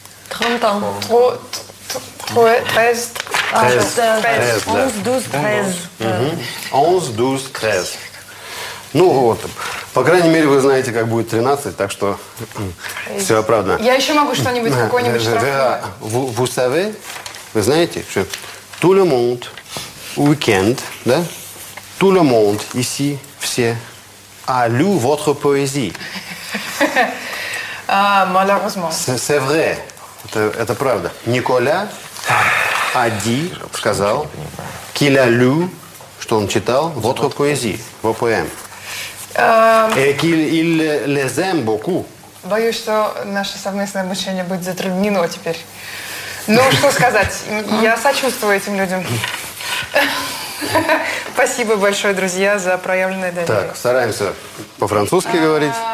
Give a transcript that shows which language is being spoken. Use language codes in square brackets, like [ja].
[fr] Трентан. Трез. Трез. Трез, да. Онз, дуз, трез. [ru] Ну вот, по крайней мере, вы знаете, как будет 13, так что все оправдано. Я еще могу что-нибудь, какое-нибудь штрафное. [fr] Vous savez, [ru] вы знаете, что [fr] tout le monde, weekend, да? Tout le monde, ici, [ru] все, [fr] a lu votre poésie. Malheureusement. C'est vrai. [ru] Это правда. [fr] Николя a dit, [ru] сказал, [fr] qu'il a lu, [ru] что он читал, [fr] votre poésie, vos poèmes. Et qu'il les aime beaucoup. [ru] Боюсь, что наше совместное обучение будет затруднено теперь. Ну, что сказать, я сочувствую этим людям. Спасибо большое, друзья, за проявленное доверие. Так, стараемся по-французски говорить.